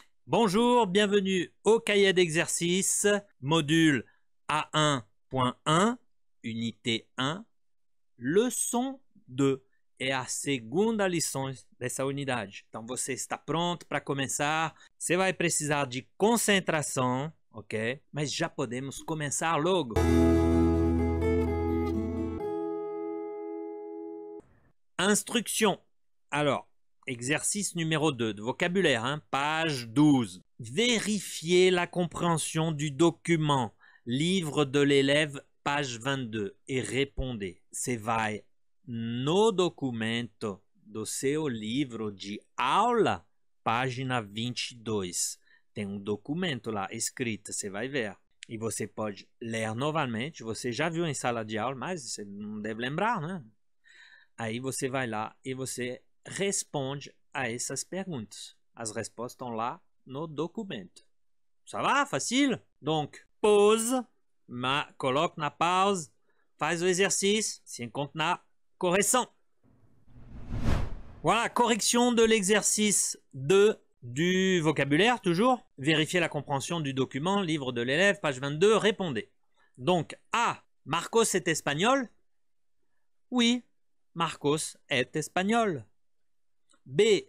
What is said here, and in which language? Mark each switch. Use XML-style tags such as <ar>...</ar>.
<fr>Bonjour, bienvenue au cahier d'exercice, module A1.1, unité 1, leçon 2.</fr> <pt>É a segunda lição dessa unidade. Então você está pronto para começar. Você vai precisar de concentração, ok? Mas já podemos começar logo.</pt> <fr>Instruction. Alors. Exercice numéro 2 de vocabulaire, hein, page 12. Vérifiez la compréhension du document, livre de l'élève, page 22, et répondez.</fr> <pt>Se vai no documento do seu livro de aula, página 22. Tem documento lá, escrito, você vai ver. E você pode ler novamente, você já viu em sala de aula, mas você não deve lembrar, né? Aí você vai lá e você responde a essas perguntas. As respostas estão lá no documento.</pt> <fr>Ça va? Facile?</fr> <pt>Donc, pause, coloque na pause, faz o exercício, se encontre na correção.</pt> <fr>Voilà, correction de l'exercice 2 du vocabulaire, toujours. Vérifiez la compréhension du document, livre de l'élève, page 22, répondez. Donc, A, Marcos est espagnol? Oui, Marcos est espagnol. B.</fr>